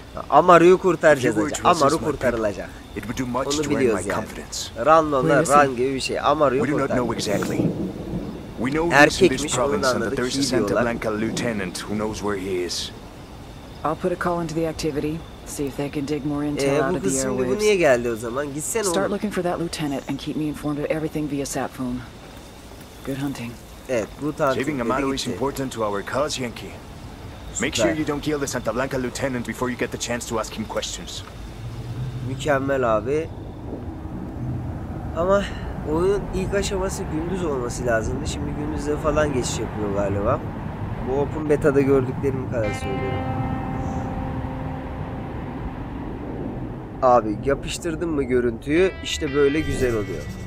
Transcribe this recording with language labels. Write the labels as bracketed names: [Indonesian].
[Turkish] Amaru'yu kurtaracağız acı. Amaru kurtarılacak. Onu biliyoruz yani. Ranlo'na ran gibi bir şey. Amaru'yu kurtarıyor. Erkekmiş, onu da anladık. İyi diyorlar. [English] I'll put a call into the activity. See if they can dig more intel out of the airwaves. [Turkish] Bu kız şimdi bu niye geldi o zaman? Gitsene oğlum. [English] Start looking for that lieutenant and keep me informed of everything via sat phone. Good hunting. [Turkish] Evet, bu tarz. [English] Saving Amaru is important to our cause, Yankee. Make sure you don't kill the Santa Blanca lieutenant before you get the chance to ask him questions. [Turkish] Mükemmel abi. Ama oyunun ilk aşaması gündüz olması lazımdı. Şimdi gündüzde falan geçiş yapıyor galiba. Bu open beta'da gördüklerimi kadar söylüyorum. Abi yapıştırdım mı görüntüyü, işte böyle güzel oluyor.